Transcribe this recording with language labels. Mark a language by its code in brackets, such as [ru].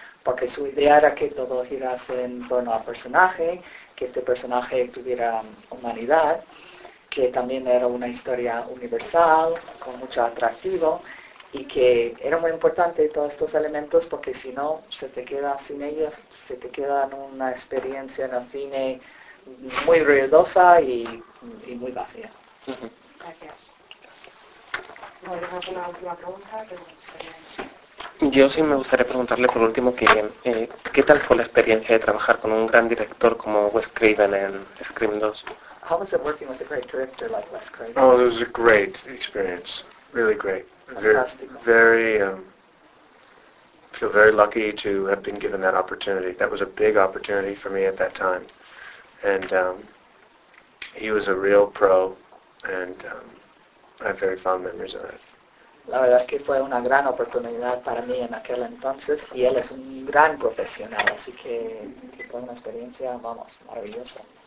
[es] Porque su idea era que todo girase en torno al personaje, que este personaje tuviera humanidad, que también era una historia universal, con mucho atractivo, y que era muy importante todos estos elementos, porque si no, se te queda sin ellos, se te queda en una experiencia en el cine muy ruidosa y muy vacía. Gracias. Bueno, ¿tienes alguna última pregunta? Yo sí me gustaría preguntarle por último que ¿qué tal fue la experiencia de trabajar con un gran director como Wes Craven en Scream 2? [en] How was it working with a great director like Wes Craven? Oh, it was a great experience. Really great. Very, feel very lucky to have been given that opportunity. That was a big opportunity for me at that time. And he was a real pro, and I have very fond memories of it. [es] La verdad es que fue una gran oportunidad para mí en aquel entonces, y él es un gran profesional, así que fue una experiencia, vamos, maravillosa.